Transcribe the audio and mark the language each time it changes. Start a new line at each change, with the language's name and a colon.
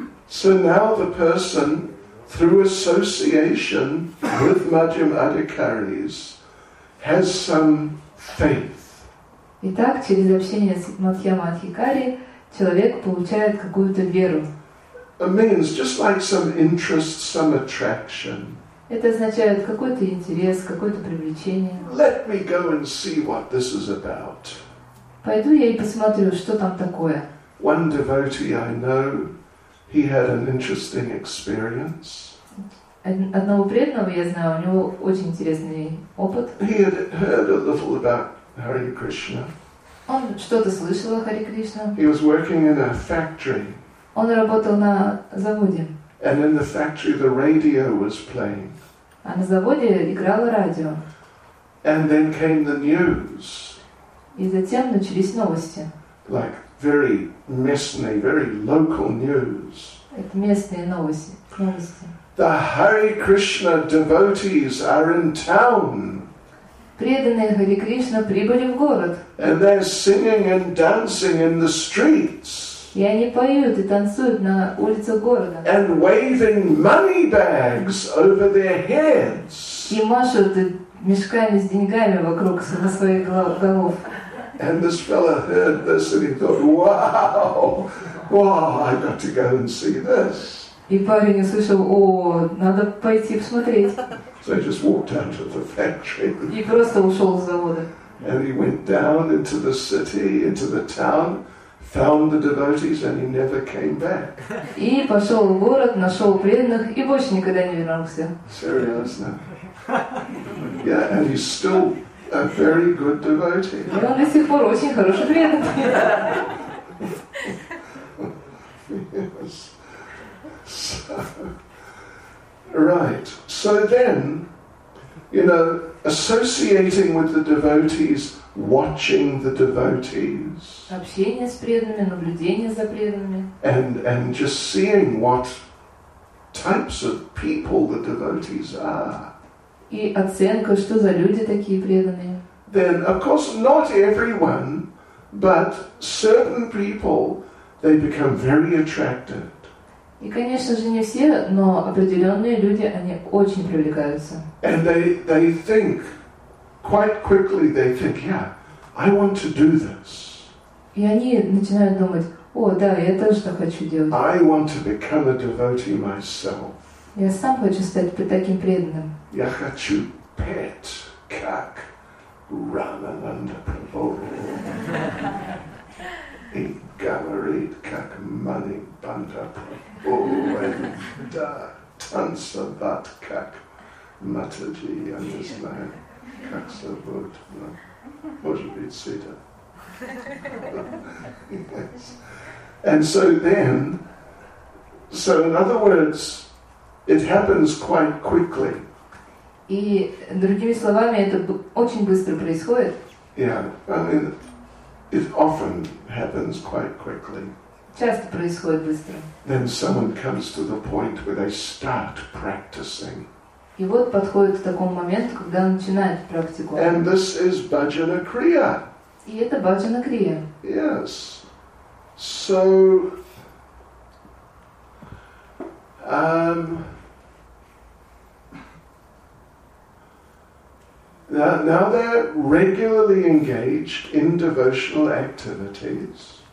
English: So now the person, through association with Madhyam Adhikaris, has some faith.
Russian: Итак, через общение с Мадхьяма Адхикари человек получает какую-то веру.
English: It means just like some interest, some attraction.
Russian: Это означает какой-то интерес, какое-то привлечение.
English: Let me go and see what this is about.
Russian: Пойду я и посмотрю, что там такое.
English: One devotee I know, he had an interesting experience.
Russian: Одного преданного я знаю, у него очень интересный опыт.
English: He had heard a little about Hare Krishna.
Russian: Он что-то слышал о Харе Кришне.
English: He was working in a factory.
Russian: Он работал на заводе.
English: And in the factory the radio was playing.
Russian: А на заводе играло радио.
English: And then came the news.
Russian: И затем начались новости.
English: Like very
Russian: местные,
English: very local news.
Russian: Это местные новости.
English: The Hare Krishna devotees are in town.
Russian: Преданные Харе Кришна прибыли в город.
English: And they're singing and dancing in the streets.
Russian: И они поют и танцуют на улицах города.
English: And waving money bags over their heads.
Russian: И машут мешками с деньгами вокруг своих голов.
English: And this fella heard this and he thought, wow, I've got to go and see this.
Russian: И парень услышал, о, надо пойти посмотреть.
English: So he just walked out of the factory.
Russian: И просто ушел с завода.
English: And he went down into the city, into the town, found the devotees, and he never came back.
Russian: И пошел в город, нашел преданных и больше никогда не вернулся.
English: Seriously? Yeah, and he's still a very good devotee.
Russian: И он до сих пор очень хороший преданный.
English: Yes. So, right. So then, you know, associating with the devotees, watching the devotees.
Russian: Общение с преданными, наблюдение за преданными.
English: And just seeing what types of people the devotees are.
Russian: И оценка, что за люди такие преданные.
English: Then, of course, not everyone, but certain people, they become very attracted.
Russian: И, конечно же, не все, но определенные люди, они очень привлекаются.
English: And they think, quite quickly they think, yeah, I want to do this.
Russian: И они начинают думать, о, да, я тоже так хочу делать.
English: I want to become a devotee myself.
Russian: Я сам хочу стать таким преданным. Я хочу петь, как Рамананда Прабху. И говорить, как Манибанда Прабху. Да, танцевать, как Матаджи. Я не знаю, как зовут. Может быть, Сита.
English: Yes. And so then, so in other words, it happens quite quickly.
Russian: И другими словами, это очень быстро происходит.
English: Yeah, I mean, it often happens quite quickly.
Russian: Часто происходит быстро.
English: Then someone comes to the point where they start practicing.
Russian: И вот подходит к такому моменту, когда начинает практику.
English: And this is bhajana kriya.
Russian: И это bhajana kriya.
English: Yes. So, now they're regularly engaged in devotional activities.